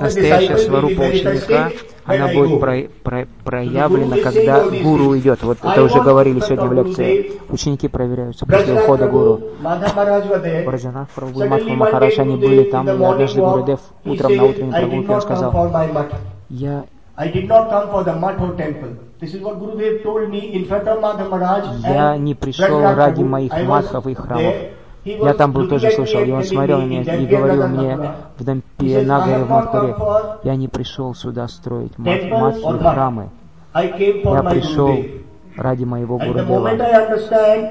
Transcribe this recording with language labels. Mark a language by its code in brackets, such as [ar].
[ru] Настоящая сварупа ученика, она будет проявлена, когда гуру уйдет. Вот это уже говорили сегодня в лекции. Ученики проверяются после ухода гуру. Браджанах Прабху и Мадхва Махарадж, они были там, и однажды Гурудев утром на утренней прогулке он сказал, я... [en] I did not come for the mutt or temple. This is what Gurudev told me in front of Madhav Maharaj. [ru] Я не пришел ради моих матхов и храмов. Я там был тоже слышал, и он смотрел на меня и говорил мне в Дампе Нагаре в Мадхуре, я не пришел сюда строить матхи и храмы. Я пришел ради моего Гурудева.